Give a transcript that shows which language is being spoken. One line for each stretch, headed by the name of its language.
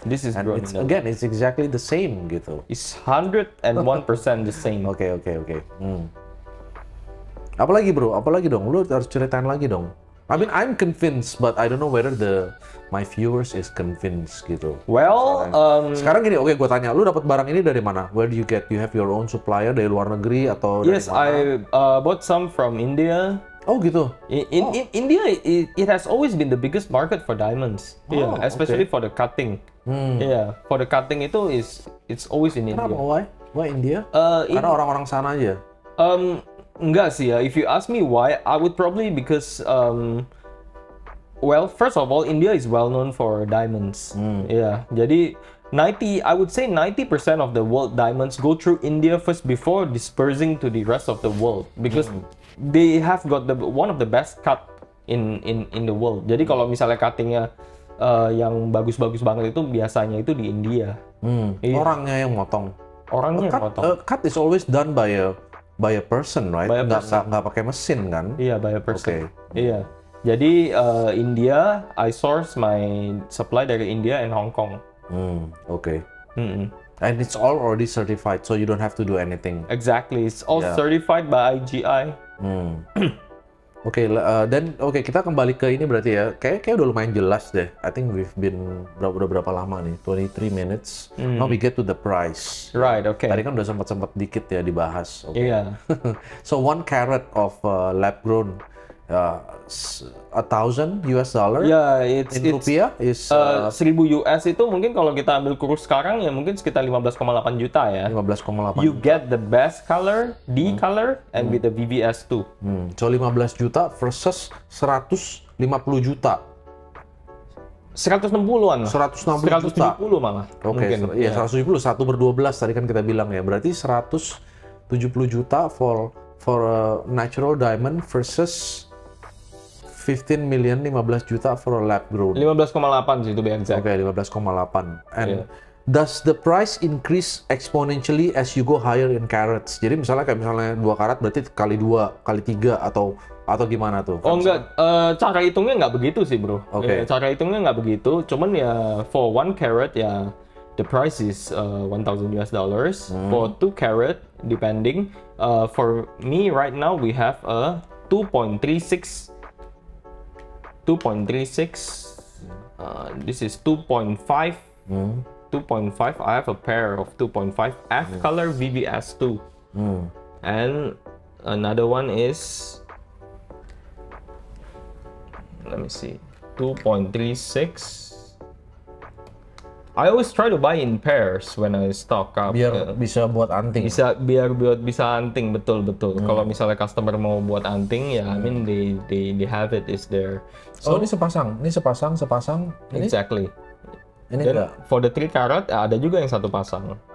English: This is and grown it's, in the again, lab. It's exactly the same
Indonesian: gitu.
English: It's 101% the same.
Indonesian: Okay, okay, okay. Apalagi bro, apalagi dong. Lu harus ceritain lagi dong.
English: I mean, I'm convinced, but I don't know whether the my viewers is convinced
Indonesian: gitu.
English: Well,
Indonesian: sekarang gini, okay, gua tanya, lu dapat barang ini dari mana?
English: Where do you get? You have your own supplier
Indonesian: dari luar negeri atau
English: yes,
Indonesian: dari mana?
English: Yes, I bought some from India.
Indonesian: Oh gitu.
English: In India, it has always been the biggest market for diamonds. Oh, yeah, especially okay. for the cutting. Yeah, for the cutting itu is it's always in
Indonesian: Kenapa?
English: India. Why India?
Indonesian: Karena orang-orang sana aja. Enggak sih ya.
English: If you ask me why, I would probably because well, first of all, India is well known for diamonds. Yeah. Jadi 90% of the world diamonds go through India first before dispersing to the rest of the world because they have got the one of the best cut in the world.
Indonesian: Jadi kalau misalnya cuttingnya yang bagus-bagus banget itu biasanya itu di India. Yeah. Orangnya yang motong.
English: Cut is always done by a person, right?
Indonesian: Nggak pakai mesin kan?
English: Iya, yeah, by a person. Okay. Iya. Yeah. Jadi India, I source my supply dari India and Hong Kong. Okay. And it's all already certified, so you don't have to do anything. Exactly. It's all yeah. certified by IGI.
Indonesian: Okay, okay, kita kembali ke ini berarti ya. Kayaknya udah lumayan jelas deh.
English: I think we've been
Indonesian: berapa lama nih?
English: 23 minutes. Now we get to the price. Right, okay.
Indonesian: Tadi kan udah sempat dikit ya dibahas.
English: Iya. Okay. Yeah. So 1 carat of lab grown $1,000 Yeah, it's in it's, rupiah is
Indonesian: 1000 US itu mungkin kalau kita ambil kurs sekarang ya mungkin sekitar 15,8 juta ya. 15,8.
English: You get the best color, D color and with the VVS too. So 15 juta versus 150 juta.
Indonesian: 160-an. 170 malah. Oke, okay, ya 170 1 per 12 tadi kan kita bilang ya. Berarti 170 juta
English: for a natural diamond versus 15 million
Indonesian: 15 juta for a lab grown. 15,8 sih itu BNC.
English: Oke, okay, 15,8. And yeah. does the price increase exponentially as you go higher in carats?
Indonesian: Jadi misalnya kayak misalnya 2 karat berarti kali 2, kali 3 atau gimana tuh? Oh, enggak. Cara hitungnya enggak begitu sih, Bro.
English: Oke. Okay. Yeah,
Indonesian: cara hitungnya enggak begitu, cuman ya
English: for 1 carat ya the price is $1,000. For 2 carat depending for me right now we have a 2.5. I have a pair of 2.5 F color VVS 2. And another one is let me see 2.36. I always try to buy in pairs when I stock up.
Indonesian: Biar bisa buat anting. Bisa anting betul. Kalau misalnya customer mau buat anting, ya,
English: I mean they have it is there.
Indonesian: So, oh, ini sepasang. Ini?
English: Exactly.
Indonesian: Ini enggak. For the 3 karat ada juga yang satu pasang.